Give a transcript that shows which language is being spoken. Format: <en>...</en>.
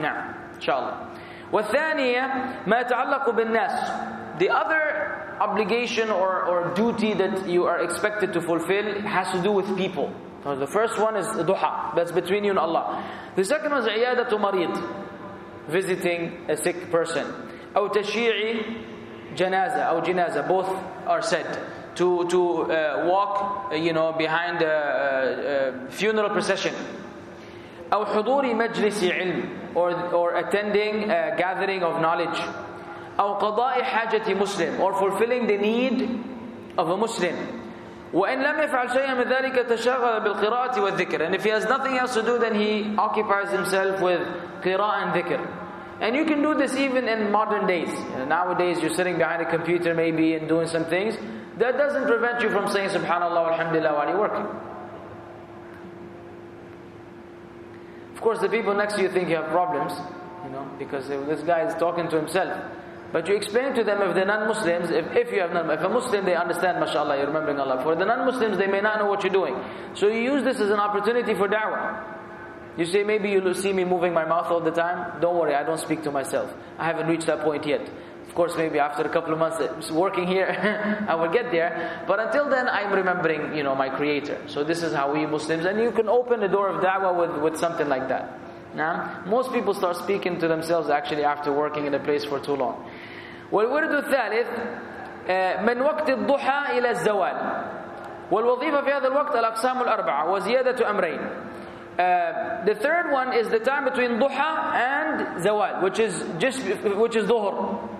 <en>Now, inshallah.</en> <ar>وَالثَّانِيَ مَا تَعَلَّقُ بِالنَّاسِ.</ar> <en>The other obligation or duty that you are expected to fulfill has to do with people. So the first one is duha, that's between you and Allah. The second one is</en> <ar>عِيَادَةُ مَرِيد,</ar> <en>visiting a sick person.</en> <ar>أَوْ تَشِيعِ جَنَازَة, أَوْ جِنَازَة,</ar> <en>both are said. To walk, behind a funeral procession.</en> <ar>أو حضور مجلس علم</ar> <en>or attending a gathering of knowledge</en> <ar>أو قضاء حاجة مسلم</ar> <en>or fulfilling the need of a Muslim.</en> <ar>وإن لم يفعل شيئا من ذلك تشغل بالقراءة والذكر.</ar> <en>And if he has nothing else to do, then he occupies himself with قراءة and ذكر. And you can do this even in modern days. Nowadays, you're sitting behind a computer maybe and doing some things. That doesn't prevent you from saying subhanAllah walhamdulillah while you're working. Of course, the people next to you think you have problems, you know, because this guy is talking to himself. But you explain to them, if they're non-Muslims, if you have non, if a Muslim, they understand, mashallah, you're remembering Allah. For the non-Muslims, they may not know what you're doing. So you use this as an opportunity for da'wah. You say, maybe you'll see me moving my mouth all the time. Don't worry, I don't speak to myself. I haven't reached that point yet. Of course, maybe after a couple of months working here, I will get there. But until then, I'm remembering, you know, my Creator. So this is how we Muslims, and you can open the door of da'wah with something like that. Now, most people start speaking to themselves actually after working in a place for too long.</en> <ar>والورد الثالث من وقت الضحى إلى الزوال. والوظيفة في هذا الوقت الأقسام الأربعة وزيادة أمرين.</ar> <en>The third one is the time between ضحى and زوال, which is ظهر.</en>